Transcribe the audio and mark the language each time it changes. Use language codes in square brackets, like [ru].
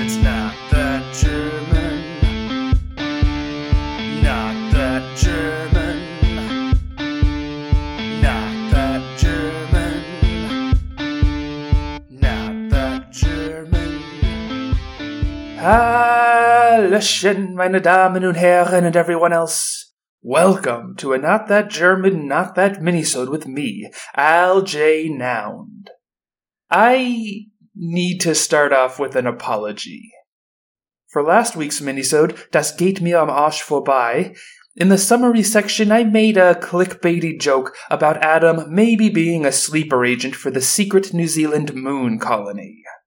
[en] It's not that German, not that German, not that German, not that German. [de] Hallöchen, meine Damen und Herren, [en] and everyone else. Welcome to a Not That German, Not That Minisode with me, Al J. Nound. I need to start off with an apology. For last week's minisode, [de] Das geht mir am Arsch vorbei, [en] in the summary section I made a clickbaity joke about Adam maybe being a sleeper agent for the secret New Zealand moon colony.